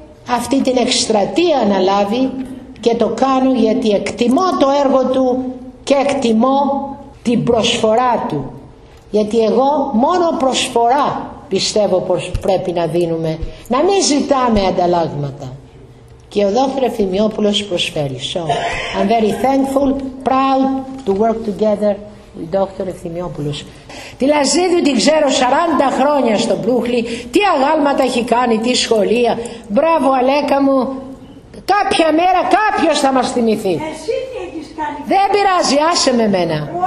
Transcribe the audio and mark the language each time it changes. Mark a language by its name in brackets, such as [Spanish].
[Greek] αυτή την εκστρατεία να λάβει, και το κάνω γιατί εκτιμώ το έργο του και εκτιμώ την προσφορά του. Γιατί εγώ μόνο προσφορά πιστεύω πως πρέπει να δίνουμε, να μην ζητάμε ανταλλάγματα. Και ο Δόκτωρ Εφημιόπουλος προσφέρει. [English] So, I'm very thankful, proud to work together with Dr. [Greek] Εφημιόπουλος. Τη Λαζίδου την ξέρω 40 χρόνια στο Μπρούχλι, τι αγάλματα έχει κάνει, τι σχολεία. Μπράβο Αλέκα μου, κάποια μέρα κάποιος θα μας θυμηθεί. Δεν πειράζει, άσε με μένα.